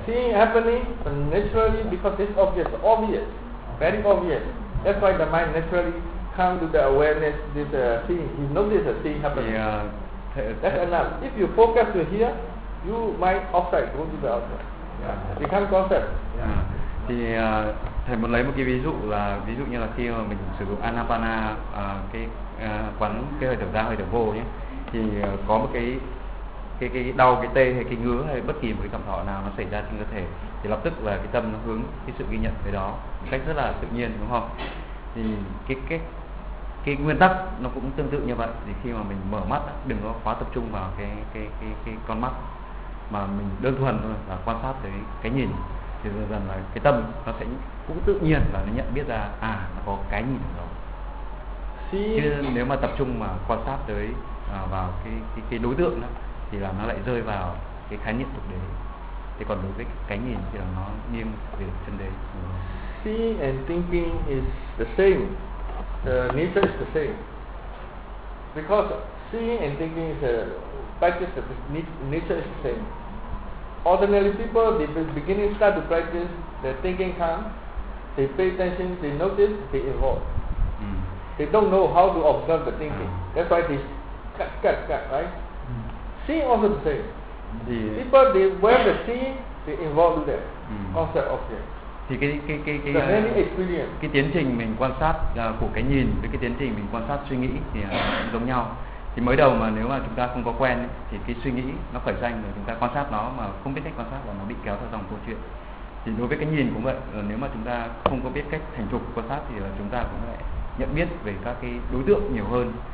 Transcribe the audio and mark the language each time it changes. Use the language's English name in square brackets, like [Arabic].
[English] Seeing happening, naturally, because it's obvious. Very obvious. That's why the mind naturally comes to the awareness, this thing. You notice the thing happening. That's enough. If you focus to here, you might outside, go to the outside. Yeah. Become concept. Yeah. [Vietnamese] Thì thầy muốn lấy một cái ví dụ như là khi mà mình sử dụng anapana, quán cái hơi thở ra, hơi thở vô nhé, thì có một cái đau, cái tê hay cái ngứa hay bất kỳ một cái cảm thọ nào nó xảy ra trên cơ thể, thì lập tức là cái tâm nó hướng cái sự ghi nhận về đó một cách rất là tự nhiên, đúng không? Thì cái nguyên tắc nó cũng tương tự như vậy. Thì khi mà mình mở mắt, đừng có quá tập trung vào cái con mắt, mà mình đơn thuần thôi là quan sát tới cái nhìn, thì dần dần là cái tâm nó sẽ cũng tự nhiên là nó nhận biết ra nó có cái nhìn đó. Chứ nếu mà tập trung mà quan sát tới vào cái đối tượng đó, thì là nó lại rơi vào cái khái niệm thực đế. Thì còn đối với cái nhìn thì là nó nghiêng về chân đế. [English] Seeing and thinking is the same. The nature is the same. Because seeing and thinking is a practice of nature is the same. Ordinary people, they beginning start to practice, their thinking comes, they pay attention, they notice, they evolve. Mm. They don't know how to observe the thinking. Mm. That's why they cut, right? Mm. See also the same. Yeah. People, they wear the seeing, they involve them, outside of them. [Vietnamese] Thì cái tiến trình mình quan sát của cái nhìn với cái tiến trình mình quan sát suy nghĩ thì giống nhau. Thì mới đầu mà nếu mà chúng ta không có quen ấy, thì cái suy nghĩ nó khởi sanh rồi chúng ta quan sát nó mà không biết cách quan sát và nó bị kéo theo dòng câu chuyện. Thì đối với cái nhìn cũng vậy, là nếu mà chúng ta không có biết cách thành thục quan sát thì là chúng ta cũng lại nhận biết về các cái đối tượng nhiều hơn.